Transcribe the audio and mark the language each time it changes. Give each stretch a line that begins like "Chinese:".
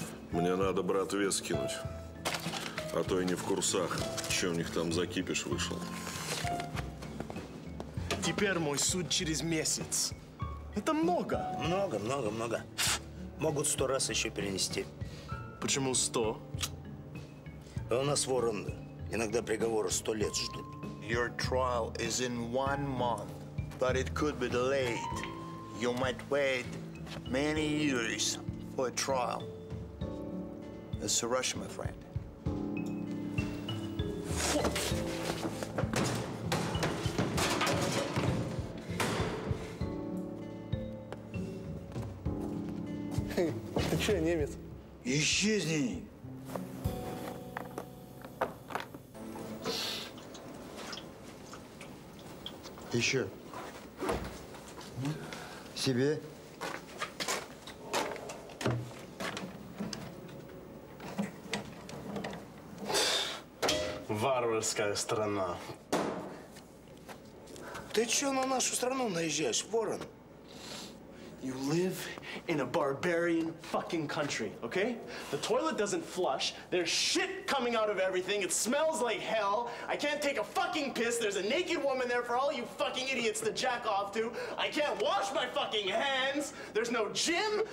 Russian: Мне надо братве скинуть. А то и не в курсах, что у них там за кипиш вышел. Теперь мой суд через месяц. Это много. Много, много, много. Могут 100 раз еще перенести. Почему 100? У нас Ворон иногда приговоры 100 лет ждут.
English: Your trial is in one month, but it could be delayed. You might wait many years for a trial. It's a rush, my friend.
Russian: Ты че, немец? Исчезни! Еще. Себе. Варварская страна. Ты че на нашу страну наезжаешь, Ворон?
English: You live in a barbarian fucking country, okay? The toilet doesn't flush. There's shit coming out of everything. It smells like hell. I can't take a fucking piss. There's a naked woman there for all you fucking idiots to jack off to. I can't wash my fucking hands. There's no gym.